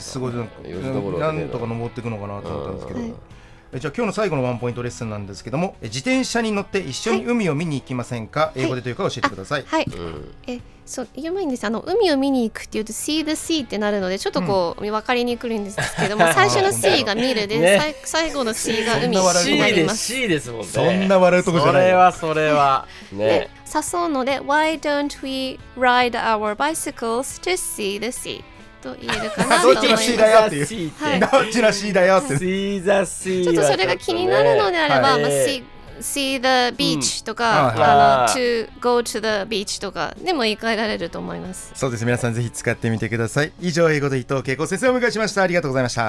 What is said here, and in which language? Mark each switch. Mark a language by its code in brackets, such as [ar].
[ja] すごい、なんとか登っていくのかなと思ったんですけど、じゃあ今日の最後のワンポイントレッスンなんですけども、自転車に乗って一緒に海を見に行きませんか、はい、英語でというか教えてください。はい、はい、そう、言う前にですね、海を見に行くっていうと [en] See the sea [ja] ってなるので、ちょっとこう、うん、分かりにくいんですけども、最初の sea が見るで、ね、最後の sea が海になります。 sea ですもんね。そんな笑うとこじゃない。それはそれは、ね、で、誘うので [en] Why don't we ride our bicycles to see the sea? [ja] と言えるかなと思います。どっちの C だよっていう、はい、どっちの C だよって、 [en] See the sea [ja] はちょっとそれが気になるのであれば、はい、まあ、 [en] See the beach [ja] とか、うん、 [en] To go to the beach [ja] とかでも言い換えられると思います。そうです、皆さんぜひ使ってみてください。以上、英語で伊藤恵子先生をお迎えしました。ありがとうございました。